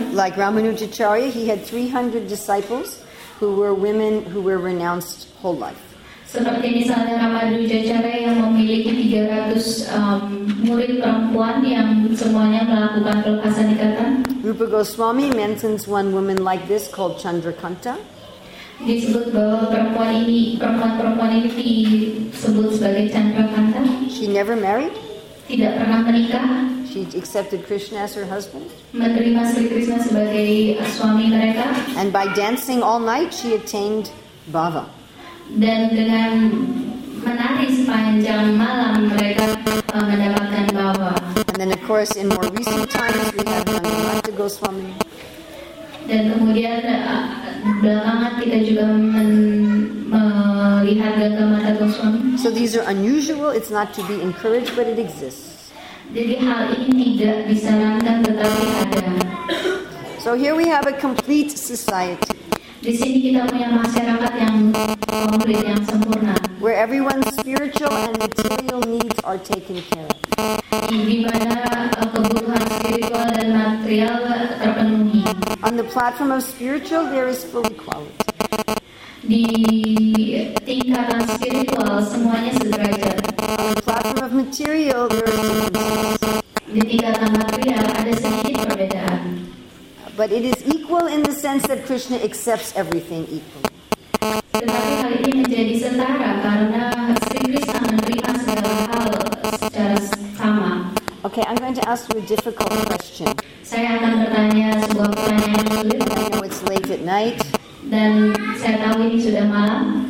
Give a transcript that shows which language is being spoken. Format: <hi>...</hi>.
<en>Like Ramanujacharya, he had 300 disciples who were women who were renounced whole life.</en> <id>Seperti misalnya Ramanujacharya yang memiliki 300 murid perempuan yang semuanya melakukan pelepasan ikatan.</id> <en>Rupa Goswami mentions one woman like this called Chandrakanta.</en> <id>Disebut bahwa perempuan-perempuan ini disebut sebagai Chandrakanta.</id> <en>She never married.</en> <id>Tidak pernah menikah.</id> <en>She accepted Krishna as her husband.</en> <id>Menerima Sri Krishna sebagai suami mereka.</id> <en>And by dancing all night, she attained bhava.</en> <id>Dan dengan menari sepanjang malam, mereka mendapatkan bhava.</id> <en>And then, of course, in more recent times, we have Mangalanta Goswami.</en> <id>Dan kemudian belakangan kita juga melihat Mangalanta Goswami.</id> <en>So these are unusual. It's not to be encouraged, but it exists.</en> <id>Jadi hal ini tidak disarankan tetapi ada.</id> <en>So here we have a complete society.</en> <id>Di sini kita punya masyarakat yang komplit, yang sempurna.</id> <en>Where everyone's spiritual and material needs are taken care of.</en> <id>Di mana kebutuhan spiritual dan material terpenuhi.</id> <en>On the platform of spiritual there is full equality.</en> <id>Di tingkatan spiritual semuanya sederajat.</id> <en>On the platform of material, there are differences.</en> <id>Di tingkatan material ada sedikit perbedaan.</id> <en>But it is equal in the sense that Krishna accepts everything equally.</en> <id>Tetapi hal ini menjadi setara karena Sri Krishna menerima segala hal secara sama.</id> <en>Okay, I'm going to ask you a difficult question.</en> <id>Saya akan bertanya sebuah pertanyaan sulit.</id> <en>I know it's late at night.</en> <id>Dan saya tahu ini sudah malam.</id>